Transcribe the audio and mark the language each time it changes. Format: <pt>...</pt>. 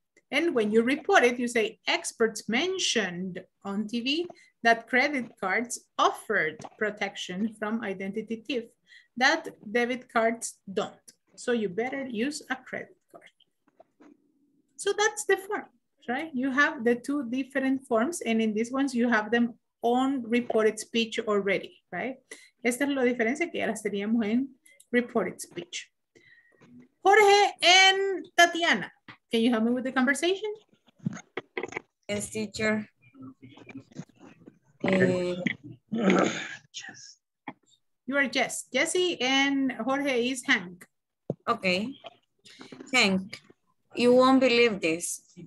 <en>And when you report it, you say experts mentioned on TV that credit cards offered protection from identity thieves that debit cards don't. So you better use a credit card. So that's the form. Right, you have the two different forms, and in these ones you have them on reported speech already, right?</en> <es>Esta es la diferencia que ya las teníamos en reported speech.</es> <en>Jorge and Tatiana, can you help me with the conversation? Yes, teacher. Okay. You are Jess. Jesse and Jorge is Hank. Okay. Hank, you won't believe this.</en>